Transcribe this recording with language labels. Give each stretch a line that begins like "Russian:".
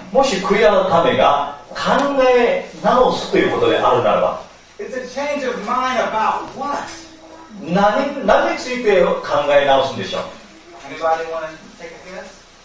Japanese: もし悔い改めが考え直すということであるならば、
English: It's a change of mind about what?
Japanese: 何について考え直すんでしょう。
English: Anybody want to take a guess?